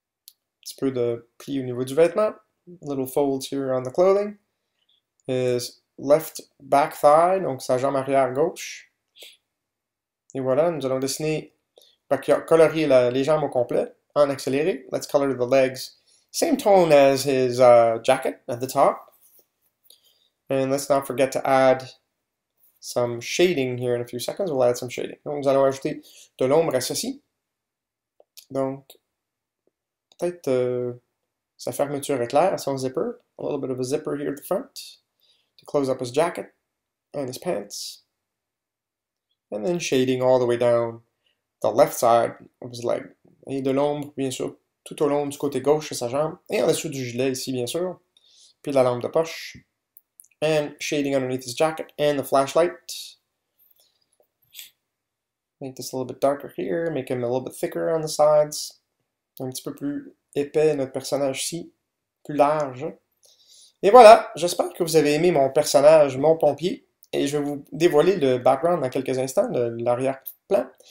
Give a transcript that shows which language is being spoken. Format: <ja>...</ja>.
<fr>Un petit peu de pli au niveau du vêtement.</fr> <en>Little folds here on the clothing. His left back thigh,</en> <fr>donc sa jambe arrière gauche. Et voilà, nous allons dessiner, colorier les jambes au complet, en accéléré.</fr> <en>Let's color the legs. Same tone as his jacket at the top. And let's not forget to add some shading here in a few seconds, we'll add some shading.</en> <fr>Donc, nous allons ajouter de l'ombre à ceci. Donc, peut-être sa fermeture éclair, son zipper.</fr> <en>A little bit of a zipper here at the front. To close up his jacket and his pants. And then shading all the way down the left side of his leg.</en> <fr>Et de l'ombre, bien sûr, tout au long du côté gauche de sa jambe. Et en dessous du gilet ici, bien sûr. Puis la lampe de poche.</fr> <en>And shading underneath his jacket and the flashlight. Make this a little bit darker here. Make him a little bit thicker on the sides.</en> <fr>Un petit peu plus épais, notre personnage ici. Plus large. Et voilà, j'espère que vous avez aimé mon personnage, mon pompier. Et je vais vous dévoiler le background dans quelques instants, l'arrière-plan.</fr>